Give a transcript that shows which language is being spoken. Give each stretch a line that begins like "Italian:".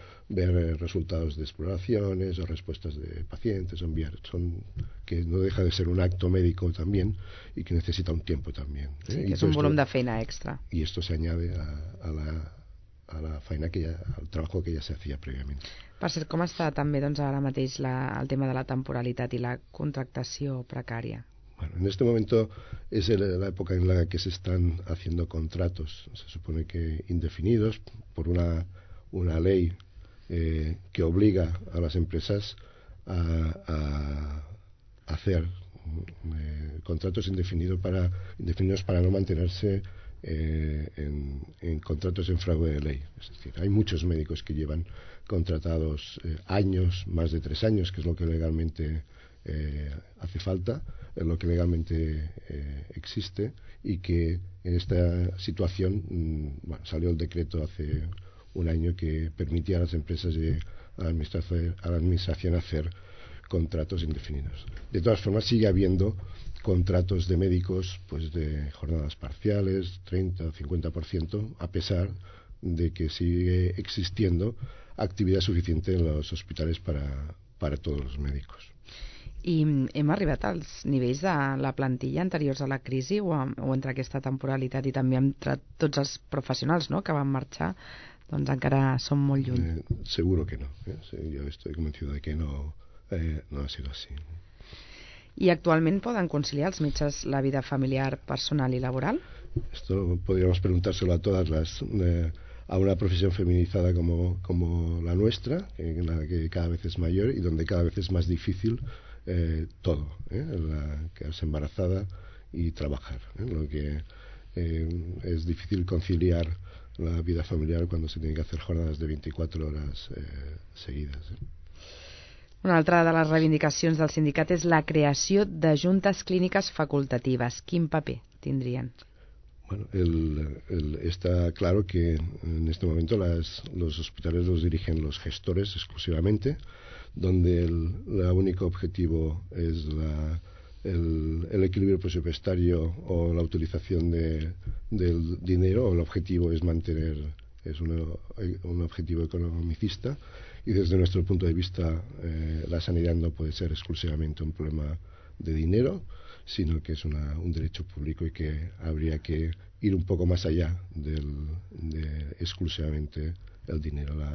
Spanish: Ver resultados de exploraciones o respuestas de pacientes, que no deja de ser un acto médico también y que necesita un tiempo también. Sí, es un volumen de feina extra. Y esto se añade a la feina al trabajo que ya se hacía previamente.
Catalan: Per cert, com està també doncs ara mateix el tema de la temporalitat i la contractació precària?
Spanish: Bueno, en este momento es la época en la que se están haciendo contratos, se supone que indefinidos, por una ley que obliga a las empresas a hacer contratos indefinidos para no mantenerse en contratos en fraude de ley. Es decir, hay muchos médicos que llevan contratados años, más de 3 años, que es lo que legalmente hace falta, es lo que legalmente existe, y que en esta situación salió el decreto hace un año que permitía a las empresas y a la administración hacer contratos indefinidos. De todas formas, sigue habiendo contratos de médicos pues de jornadas parciales, 30-50%, a pesar de que sigue existiendo actividad suficiente en los hospitales para todos los médicos.
Catalan: I hem arribat als nivells de la plantilla anteriors a la crisi o entre aquesta temporalitat i també entre tots els professionals, no?, que van marxar. Doncs encara som molt lluny.
Spanish: Seguro que no. Yo estoy convencido de que no ha sido así.
Catalan: I actualment poden conciliar els metges la vida familiar, personal i laboral?
Spanish: Esto podríamos preguntárselo a todas las... a una profesión feminizada como la nuestra, en la que cada vez es mayor y donde cada vez es más difícil todo. La quedarse embarazada y trabajar. Lo que es difícil conciliar la vida familiar cuando se tiene que hacer jornadas de 24 horas seguidas.
Catalan: Una altra de les reivindicacions del sindicat és la creació de juntes clíniques facultatives. Quin paper tindrien?
Spanish: Bueno, está claro que en este momento los hospitales los dirigen los gestores exclusivamente, donde el único objetivo es el equilibrio presupuestario o la utilización del dinero, o el objetivo es mantener, es un objetivo economicista, y desde nuestro punto de vista la sanidad no puede ser exclusivamente un problema de dinero, sino que es un derecho público y que habría que ir un poco más allá de exclusivamente el dinero.